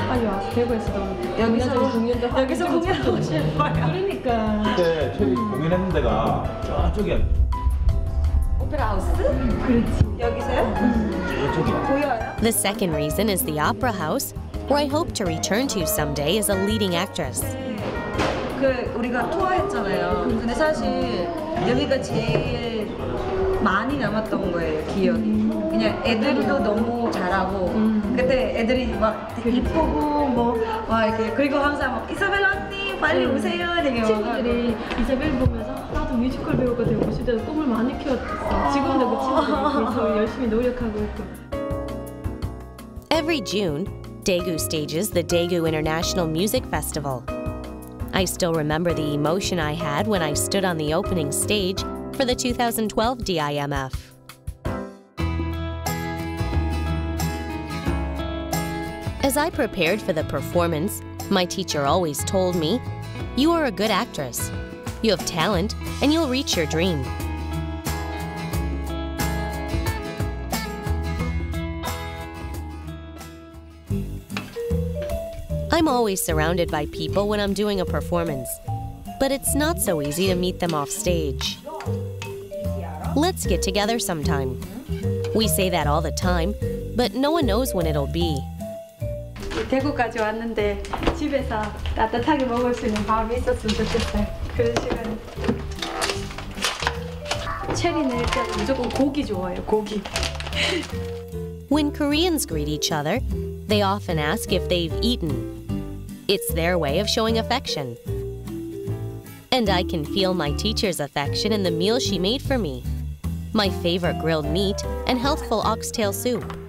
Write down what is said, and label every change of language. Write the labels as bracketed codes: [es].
[ko] 많은데 체리 씨가 빨리 와서 대구에서 여기서 공연도 하고 싶어요. 그러니까 그때 저희 공연했는 데가 저쪽이야. 오페라 하우스? 그렇지. 여기서요? 저쪽이야. 보여요? [en] The second reason is the opera house, where I hope to return to someday as a leading actress. [ko] 그 우리가 투어했잖아요. 근데 사실 여기가 제일 많이 남았던 거예요, 기억이. 그냥 애들도 너무 잘하고 그때 애들이 막 되게 이쁘고 뭐 막 이렇게 그리고 항상 막 이사벨 언니 빨리 오세요 되게 친구들이 이사벨 보면서 나도 뮤지컬 배우가 되고 싶다 꿈을 많이 키웠어 지금도 그 친구들이 열심히 노력하고 있고 [en] Every June, Daegu stages the Daegu International Music Festival. I still remember the emotion I had when I stood on the opening stage for the 2012 DIMF. As I prepared for the performance, my teacher always told me, "You are a good actress. You have talent, and you'll reach your dream." I'm always surrounded by people when I'm doing a performance, but it's not so easy to meet them off stage. Let's get together sometime. We say that all the time, but no one knows when it'll be. [ko] 대구까지 왔는데 집에서 따뜻하게 먹을 수 있는 밥이 있었으면 좋겠어요. 그런 시간. 체리는 일단 무조건 고기 좋아해요. 고기. [en] When Koreans greet each other, they often ask if they've eaten. It's their way of showing affection. And I can feel my teacher's affection in the meal she made for me. My favorite grilled meat and healthful oxtail soup.